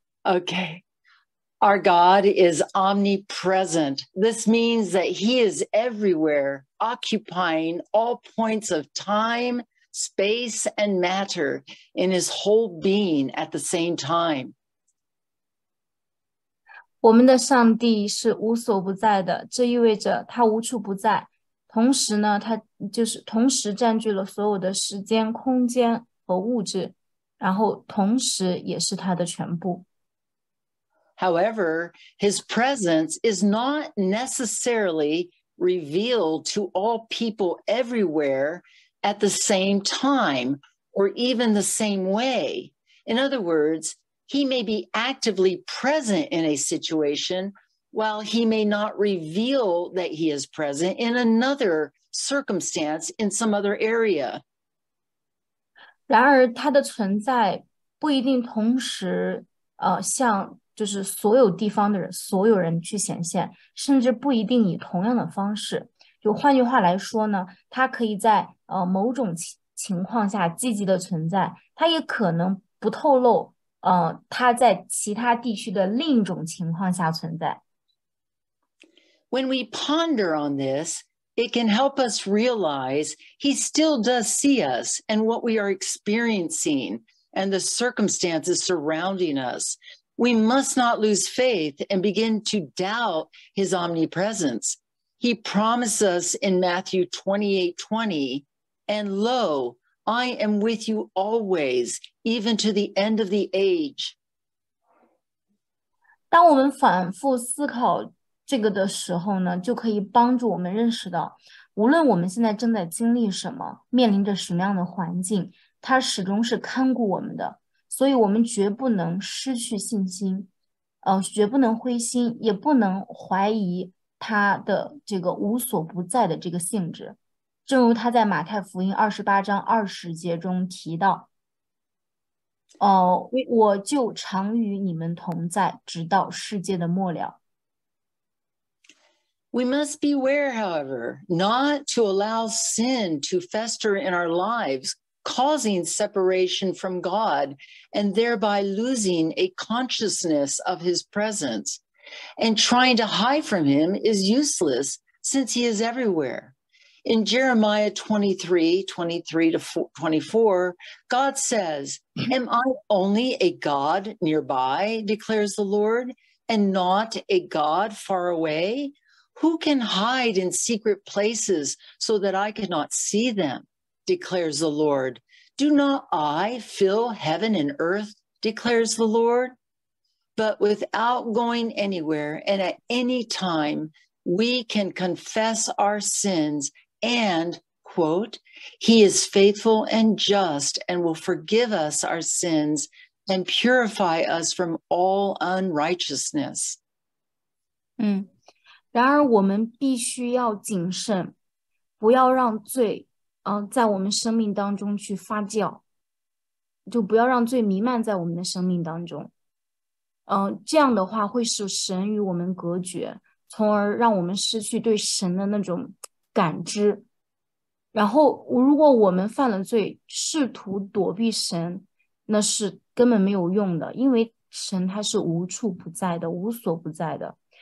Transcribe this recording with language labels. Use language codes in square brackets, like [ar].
[en] Okay. Our God is omnipresent. This means that he is everywhere, occupying all points of time, space, and matter in his whole being at the same time. [zh] 我们的上帝是无所不在的，这意味着他无处不在，同时呢，他就是同时占据了所有的时间、空间和物质。然后同时也是他的全部。 [en] However, his presence is not necessarily revealed to all people everywhere at the same time or even the same way. In other words, he may be actively present in a situation while he may not reveal that he is present in another circumstance in some other area. [zh] 然而他的存在不一定同时向就是所有地方的人所有人去显现甚至不一定以同样的方式。就换句话来说呢他可以在某种情况下积极的存在他也可能不透露他在其他地区的另一种情况下存在。 [en] When we ponder on this,It can help us realize he still does see us and what we are experiencing and the circumstances surrounding us. We must not lose faith and begin to doubt his omnipresence. He promised us in Matthew 28:20, and lo, I am with you always, even to the end of the age. [zh] 当我们反复思考这个的时候呢，就可以帮助我们认识到，无论我们现在正在经历什么，面临着什么样的环境，它始终是看顾我们的，所以我们绝不能失去信心，绝不能灰心，也不能怀疑它的这个无所不在的这个性质。正如他在马太福音28:20中提到，我就常与你们同在，直到世界的末了。 [en] We must beware, however, not to allow sin to fester in our lives, causing separation from God and thereby losing a consciousness of his presence. And trying to hide from him is useless since he is everywhere. In Jeremiah 23:23-24, God says, Am I only a God nearby, declares the Lord, and not a God far away? Who can hide in secret places so that I cannot see them, declares the Lord. Do not I fill heaven and earth, declares the Lord. But without going anywhere and at any time, we can confess our sins and, quote, he is faithful and just and will forgive us our sins and purify us from all unrighteousness. [zh] 然而我们必须要谨慎不要让罪在我们生命当中去发酵就不要让罪弥漫在我们的生命当中这样的话会使神与我们隔绝从而让我们失去对神的那种感知然后如果我们犯了罪试图躲避神那是根本没有用的因为神他是无处不在的无所不在的